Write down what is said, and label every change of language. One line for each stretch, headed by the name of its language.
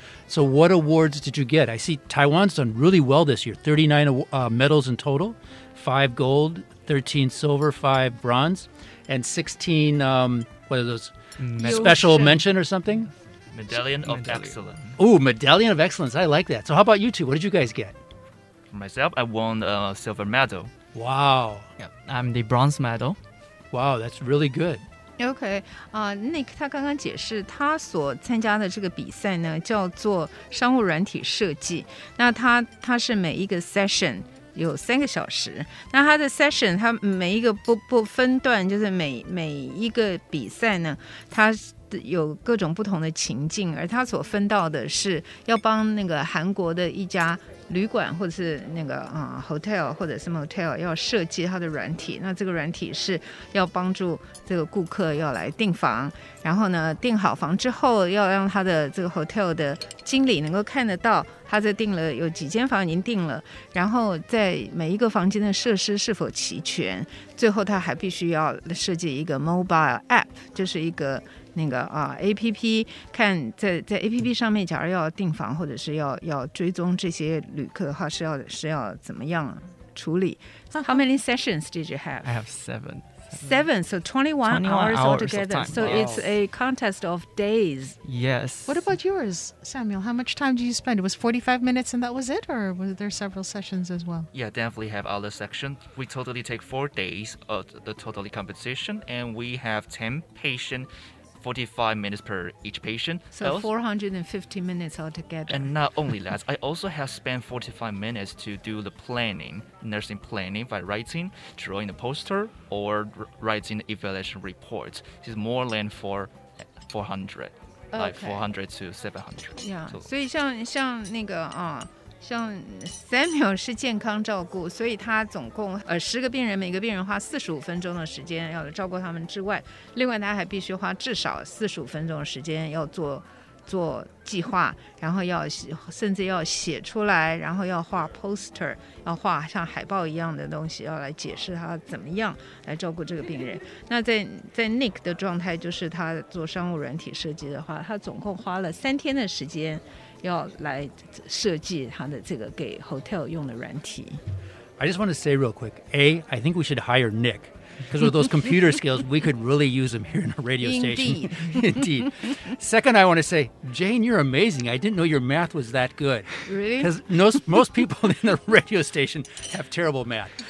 English: So what awards did you get? I see Taiwan's done really well this year, 39 medals in total, 5 gold, 13 silver, 5 bronze, and 16, special mention or something? Medallion of Excellence. Ooh, Medallion of Excellence, I like that. So how about you two, what did you guys get? Myself, I won a silver medal. Wow. Yep. I'm the bronze medal. Wow, that's really good. Okay.
Chinese: Nick, 他刚刚解释他所参加的这个比赛呢叫做商务软体设计。那他是每一个 session 有三个小时。那他的 session, 他每一个不分段，就是每一个比赛呢，他有各种不同的情境，而他所分到的是要帮那个韩国的一家旅馆或者是那个 hotel 或者是 motel 要设计它的软体，那这个软体是要帮助这个顾客要来订房，然后呢订好房之后要让他的这个 hotel 的经理能够看得到他在订了有几间房已经订了，然后在每一个房间的设施是否齐全，最后他还必须要设计一个 mobile app, 就是一个那个APP, 看在 APP 上面假如要订房或者是要追踪这些旅客的话是要怎么样处理。
English: How many sessions did you have? I have seven. Seven, so 21 hours altogether. Of time. So it's a contest of days. Yes. What about yours, Samuel? How much time do you spend? It was 45 minutes and that was it? Or were there several sessions as well? Yeah, definitely have other sessions. We totally take 4 days of the totally competition and we have 10 patients, 45 minutes per each patient. So 450 minutes altogether. And not only that, I also have spent 45 minutes to do the planning, nursing planning by writing, drawing a poster, or writing the evaluation report. It's more than 400, okay. Like 400 to 700.
Chinese: Yeah, so 像 Samuel 是健康照顾，所以他总共十个病人，每个病人花45分钟的时间要照顾他们之外，另外他还必须花至少45分钟的时间要做计划，然后要甚至要写出来，然后要画 poster， 要画像海报一样的东西，要来解释他怎么样来照顾这个病人。那在 Nick 的状态，就是他做商务软体设计的话，他总共花了3天的时间。要来设计他的这个给 hotel 用的软体。
English: I just want to say real quick, I think we should hire Nick, because with those computer skills, we could really use him here in a radio station. Indeed. Second, I want to say, Jane, you're amazing. I didn't know your math was that good. Really? Because most people in the radio station have terrible math.